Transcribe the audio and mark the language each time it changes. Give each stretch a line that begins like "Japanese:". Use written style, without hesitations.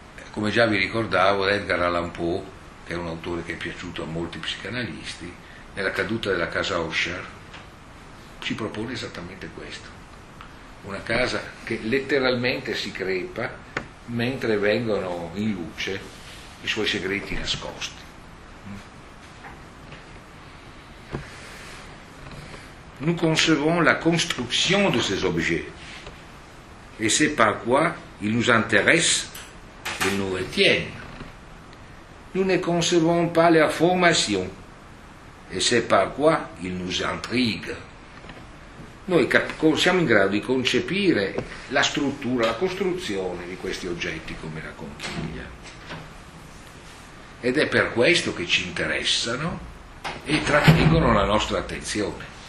Italian: Come già vi ricordavo, Edgar Allan Poe, che è un autore che è piaciuto a molti psicanalisti, nella caduta della casa Usher, ci propone esattamente questo. Una casa che letteralmente si crepa mentre vengono in luce i suoi segreti nascosti.
French: Nous concevons la construction de ces objets. Et c'est par quoi ils nous intéressent, ils nous retiennent. Nous ne concevons pas leur formation. Et c'est par quoi ils nous intriguent.
Italian: Noi siamo in grado di concepire la struttura, la costruzione di questi oggetti come la conchiglia. Ed è per questo che ci interessano e trattengono la nostra attenzione.